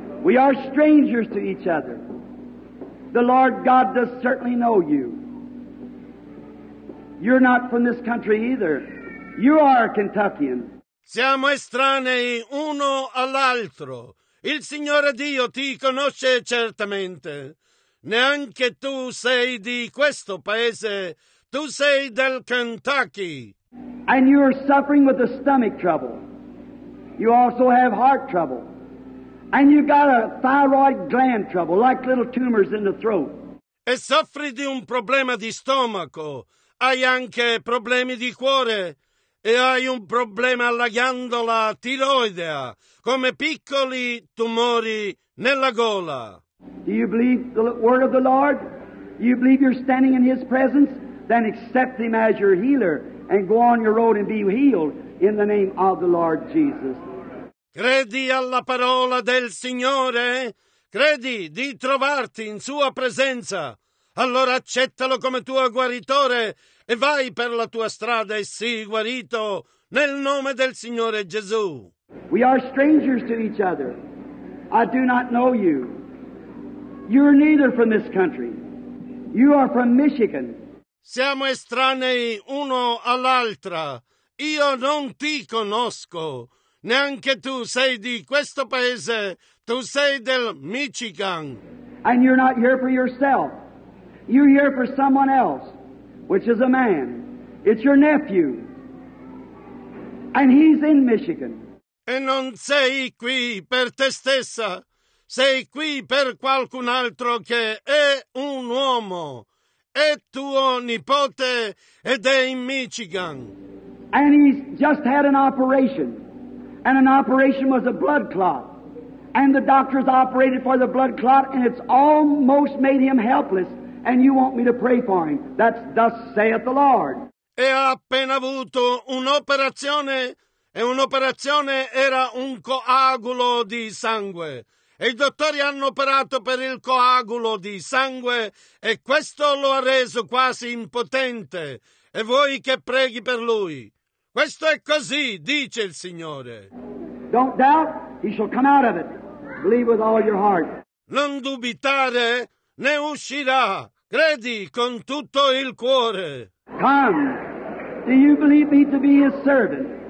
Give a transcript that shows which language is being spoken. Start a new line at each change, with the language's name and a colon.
English: We are strangers to each other. The Lord God does certainly know you. You're not from this country either. You are a Kentuckian.
Italian: Siamo estranei uno all'altro. Il Signore Dio ti conosce certamente. Neanche tu sei di questo paese. Tu sei del Kentucky.
English: And you are suffering with a stomach trouble. You also have heart trouble. And you've got a thyroid gland trouble, like little tumors in the throat.
Italian: E soffri di un problema di stomaco. Hai anche problemi di cuore. E hai un problema alla ghiandola tiroidea, come piccoli tumori nella gola.
English: Do you believe the word of the Lord? Do you believe you're standing in His presence? Then accept Him as your healer and go on your road and be healed in the name of the Lord Jesus.
Italian: Credi alla parola del Signore? Credi di trovarti in Sua presenza? Allora accettalo come tuo guaritore e vai per la tua strada e sii guarito nel nome del Signore Gesù.
English: We are strangers to each other. I do not know you. You're neither from this country. You are from Michigan.
Italian: Siamo estranei uno all'altra. Io non ti conosco. Neanche tu sei di questo paese. Tu sei del Michigan.
English: And you're not here for yourself. You're here for someone else, which is a man. It's your nephew. And he's in Michigan.
Italian: E non sei qui per te stessa. Sei qui per qualcun altro che è un uomo. È tuo nipote ed è in Michigan.
English: And he's just had an operation. And an operation was a blood clot. And the doctors operated for the blood clot and it's almost made him helpless. And you want me to pray for him. That's thus saith the Lord.
Italian: E ha appena avuto un'operazione e un'operazione era un coagulo di sangue. E i dottori hanno operato per il coagulo di sangue e questo lo ha reso quasi impotente. E vuoi che preghi per lui? Questo è così, dice il Signore.
English: Don't doubt, he shall come out of it. Believe with all your heart.
Italian: Non dubitare, ne uscirà. Credi con tutto il cuore.
English: Come, do you believe me to be his servant?